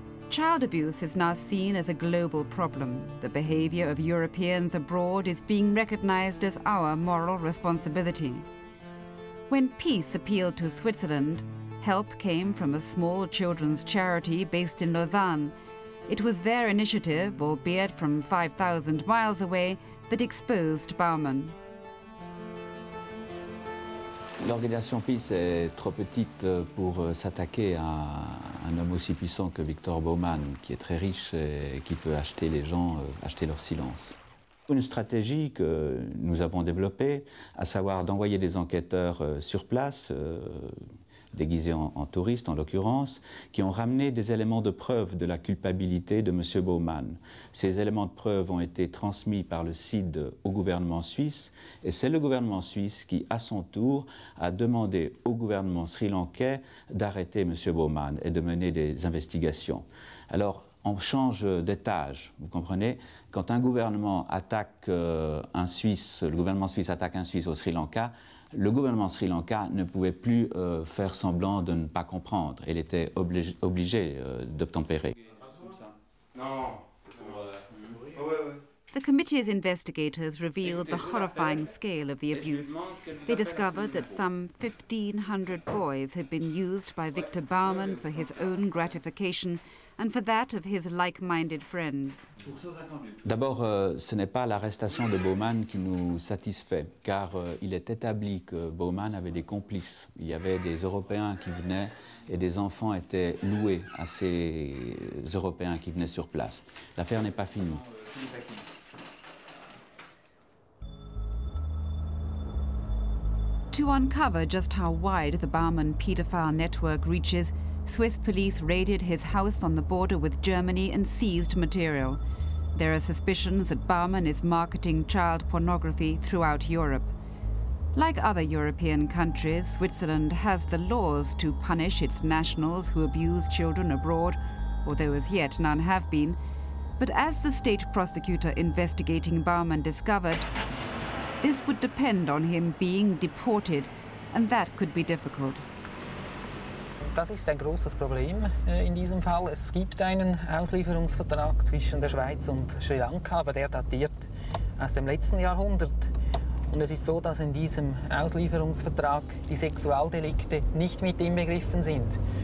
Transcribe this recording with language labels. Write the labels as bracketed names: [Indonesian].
[English] Child abuse is now seen as a global problem. The behavior of Europeans abroad is being recognized as our moral responsibility. When peace appealed to Switzerland, help came from a small children's charity based in Lausanne. It was their initiative, albeit from 5,000 miles away, that exposed Bauman. [French] L'organisation Peace est trop petite pour s'attaquer à un homme aussi puissant que Victor Bauman, qui est très riche et qui peut acheter les gens, acheter leur silence. Une stratégie que nous avons développée, à savoir d'envoyer des enquêteurs sur place, déguisés en touristes en l'occurrence, qui ont ramené des éléments de preuve de la culpabilité de M. Bauman. Ces éléments de preuve ont été transmis par le CID au gouvernement suisse, et c'est le gouvernement suisse qui, à son tour, a demandé au gouvernement sri-lankais d'arrêter M. Bauman et de mener des investigations. Alors, on change d'étage, vous comprenez? Quand un gouvernement attaque un Suisse, le gouvernement suisse attaque un Suisse au Sri Lanka, le gouvernement Sri Lanka ne pouvait plus faire semblant de ne pas comprendre. Il était obligé d'obtempérer. [English] The committee's investigators revealed the horrifying scale of the abuse. They discovered that some 1,500 boys had been used by Victor Bauman for his own gratification and for that of his like-minded friends. [French] D'abord, ce n'est pas l'arrestation de Bauman qui nous satisfait, car il est établi que Bauman avait des complices. Il y avait des Européens qui venaient et des enfants étaient loués à ces Européens qui venaient sur place. L'affaire n'est pas finie. [English] To uncover just how wide the Bauman pedophile network reaches, Swiss police raided his house on the border with Germany and seized material. There are suspicions that Bauman is marketing child pornography throughout Europe. Like other European countries, Switzerland has the laws to punish its nationals who abuse children abroad, although as yet none have been. But as the state prosecutor investigating Baumann discovered, this would depend on him being deported, and that could be difficult. [German] Das ist ein großes Problem in diesem Fall. Es gibt einen Auslieferungsvertrag zwischen der Schweiz und Sri Lanka, aber der datiert aus dem letzten Jahrhundert. Und es ist so, dass in diesem Auslieferungsvertrag die Sexualdelikte nicht mit inbegriffen sind.